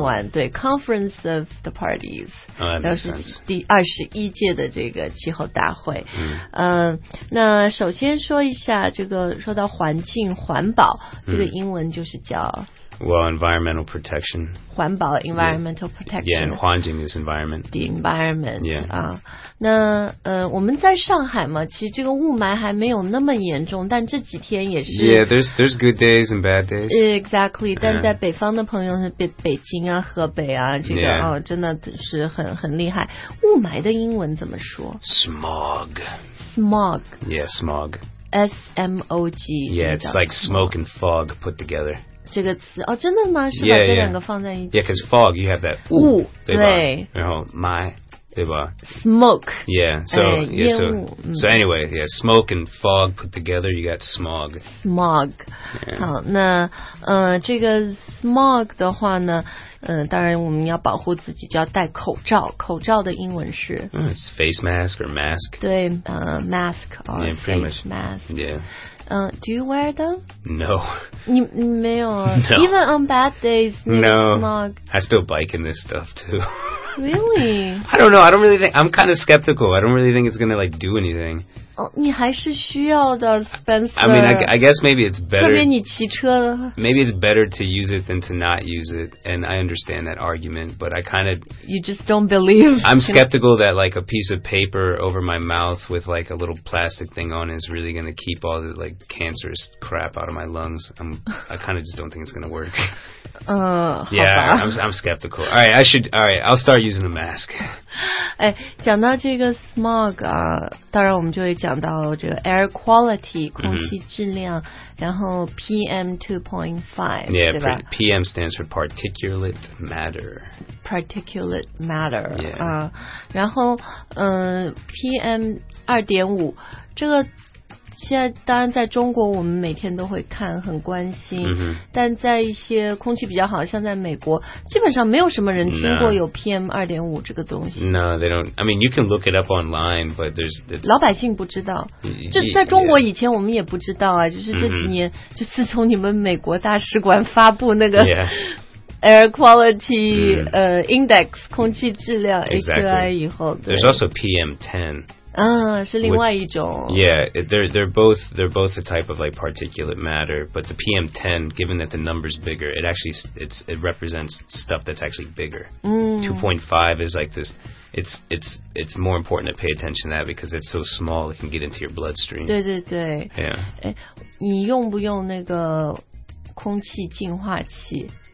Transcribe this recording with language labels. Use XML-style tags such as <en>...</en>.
<en>对 Conference of the Parties 那</en> <zh>是第21届的这个气候大会那首先说一下这个说到环境环保这个英文就是叫</zh> <en>Well, environmental protection. 环保 environmental protection. Yeah, and 环境 is environment. The environment. Yeah.</en> <zh>那我们在上海嘛，其实这个雾霾还没有那么严重，但这几天也是。</zh> <en>Yeah, there's good days and bad days. Exactly.</en> <zh>但在北方的朋友，北京啊，河北啊，这个真的是很厉害。雾霾的英文怎么说</zh> <en>？Smog. Smog. Yeah, smog. S-M-O-G. Yeah, it's like smoke and fog put together.</en> <zh>这个词哦，真的吗？是把这两个放在一起</zh> <en>？Yeah, because fog, you have that</en> <zh>雾，对吧？然后霾，对吧</zh> <en>？Smoke. Yeah. So, yeah, so anyway, yeah, smoke and fog put together, you got smog. Smog.、 Yeah.</en> <zh>好，那这个 smog 的话呢，当然我们要保护自己，就要戴口罩。口罩的英文是</zh> <en>It's face mask or mask. 对，mask or yeah, face mask. Yeah. Do you wear them? No.</en> <zh>你没有啊</zh> <en>No. Even on bad days, no smog. I still bike in this stuff too. Really? I don't know. I don't really think. I'm kind of skeptical. I don't really think it's gonna like do anything.</en> <zh>你还是需要的 ，Spencer.</zh> <en>I mean, I guess maybe it's better.</en> <zh>特别你骑车。</zh> <en>Maybe it's better to use it than to not use it, and I understand that argument. But I kind of. You just don't believe. I'm skeptical that like a piece of paper over my mouth with like a little plastic thing on is really going to keep all the like cancerous crap out of my lungs. I kind of just don't think it's going to work. Yeah, I'm skeptical. All right, I'll start using a mask.</en> <zh>讲到这个 smog 啊，当然我们就会讲到这个</zh> <en>air quality</en> <zh>空气质量，然后 PM2.5</zh> <en>yeah,</en> <zh>对吧</zh> <en>PM stands for particulate matter. Particulate matter. Yeah.</en> <zh>然后PM 2.5这个现在当然在中国我们每天都会看很关心、 mm-hmm. 但在一些空气比较好像在美国基本上没有什么人听过有 PM 2.5 这个东西</zh> <en>No, they don't I mean, you can look it up online but there's</en> <zh>老百姓不知道这在中国以前我们也不知道啊就是这几年、mm-hmm. 就自从你们美国大使馆发布那个、</zh> <en>yeah. Air Quality、mm-hmm. Index</en> <zh>空气质量</zh> <en>AQI、 exactly.</en> <zh>以后</zh> <en>There's also PM10</en> <zh>是另外一种。</zh> <en>With, yeah, they're both a type of like particulate matter, but the PM10, given that the number's bigger, it represents stuff that's actually bigger. 2.5 is like this. It's more important to pay attention to that because it's so small it can get into your bloodstream.</en> <zh>对对对。</zh> <en>Yeah.</en> <zh>你用不用那个空气净化器？</zh>